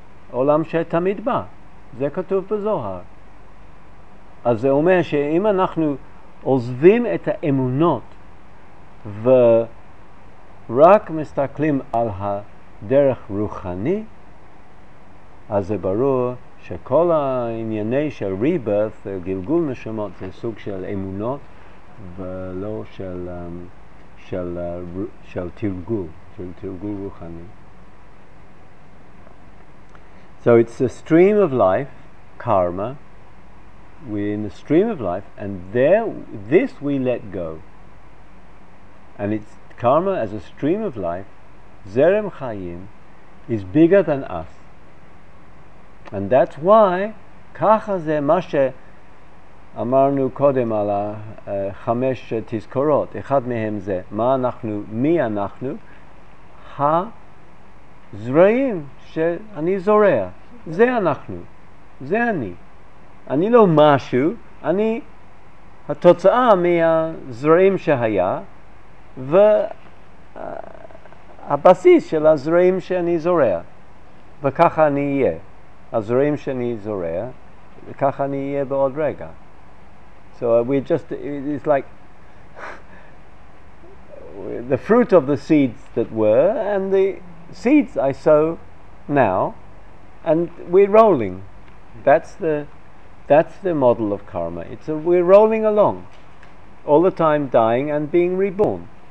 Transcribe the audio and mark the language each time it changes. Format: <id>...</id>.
<he>עולם שתמיד בא. זה כתוב בזוהר. אז זה אומר שאם אנחנו עוזבים את האמונות ורק מסתכלים על ה דרך רוחני, אז זה ברור שכל הענייני של ריבירת, גלגול נשמות, זה סוג של אמונות ולא של של של תרגול, של תרגול רוחני.</he> <en>So it's a stream of life, karma. We're in a stream of life, and there this we let go, and it's karma as a stream of life. Zerem Chayim is bigger than us. And that's why</en> <he>ככה זה מה שאמרנו קודם על חמש תזכורות. אחד מהם זה מה אנחנו, מי אנחנו, הזרעים שאני זורע. זה אנחנו, זה אני. אני לא משהו, אני התוצאה מהזרעים שהיה, והבסיס של הזרעים שאני זורע, וככה אני אהיה. הזרעים שאני זורע, וככה אני אהיה בעוד רגע.</he> <en>So we're just, it's like the fruit of the seeds that were, and the seeds I sow now, and we're rolling. That's the model of karma. We're rolling along, all the time dying and being reborn.</en>